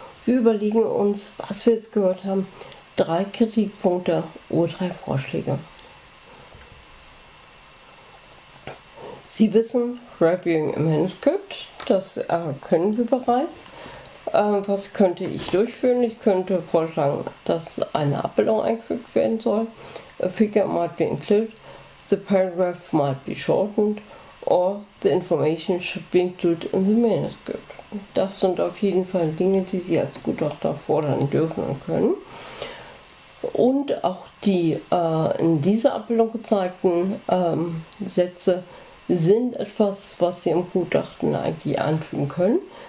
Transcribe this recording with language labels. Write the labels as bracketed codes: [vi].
[de] Wir überlegen uns, was wir jetzt gehört haben, 3 Kritikpunkte oder 3 Vorschläge. Sie wissen, Reviewing a Manuscript, das können wir bereits. Was könnte ich durchführen? Ich könnte vorschlagen, dass eine Abbildung eingefügt werden soll. [en] A figure might be included, the paragraph might be shortened, or the information should be included in the manuscript. [de] Das sind auf jeden Fall Dinge, die Sie als Gutachter fordern dürfen und können. Und auch die in dieser Abbildung gezeigten Sätze sind etwas, was Sie im Gutachten eigentlich anfügen können.